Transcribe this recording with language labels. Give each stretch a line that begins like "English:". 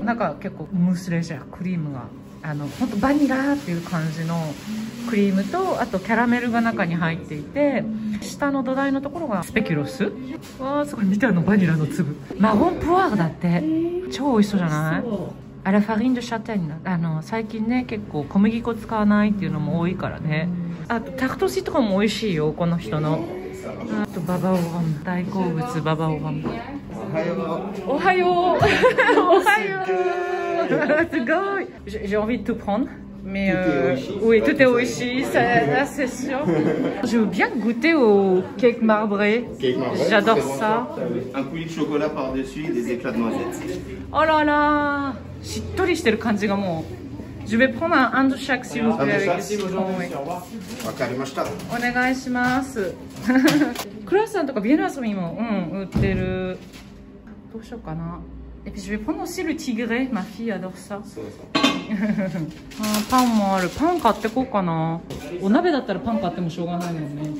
Japanese: うん、なんか結構ムースレジャークリームが、あの本当バニラっていう感じのクリームと、あとキャラメルが中に入っていて、下の土台のところがスペキロス、わーすごい、見たのバニラの粒、マゴンプワーだって、超美味しそうじゃない、あれファリンドシャテン、あの最近ね結構小麦粉使わないっていうのも多いからね、あとタクトシとかも美味しいよこの人の、あとババオガム、大好物ババオガム、おはよう、おはよう、おはよう、すごい、
French: j'ai envie de tout prendre mais oui tout est aussi ça là c'est sûr je veux bien goûter au cake marbré, j'adore ça, un coulis de chocolat par dessus des éclats de noisettes, oh là là,
Japanese: しっとりしてる感じがもう、
French: je vais prendre un and chaque s'il vous plaît,
Japanese: わかりました、お願いします、クロワッサンとかビエルアソミも、うん、売ってる、どうしようかな、
French: Et puis je vais prendre aussi le tigré, ma fille adore ça. ça.
Japanese: ah, パンもある。パン買ってこうかな。お鍋だったらパン買ってもしょうがないもんね。